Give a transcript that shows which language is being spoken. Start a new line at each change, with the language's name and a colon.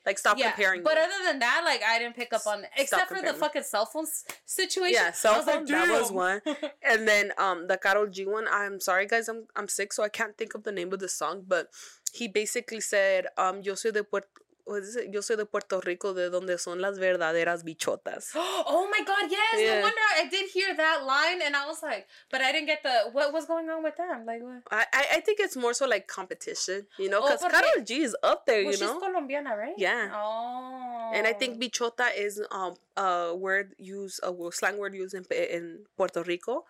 English: like, stop comparing but other than that, like, I didn't pick up on, except for the fucking cell phone situation. Yeah, cell phone, like, that was one. And then the Karol G one, I'm sorry guys, I'm sick, so I can't think of the name of the song, but he basically said,
Spanish: yo soy de Puerto,
English: what is it?
Spanish: Yo soy de Puerto Rico, de donde son las verdaderas bichotas.
English: Oh my God, yes! Yeah. No wonder I did hear that line, and I was like, but I didn't get the, what was going on with them? Like, what? I think it's more so like competition, you know? Because Karol G is up there, well, you know? She's Colombiana, right? Yeah. Oh. And I think bichota is a slang word used in Puerto Rico.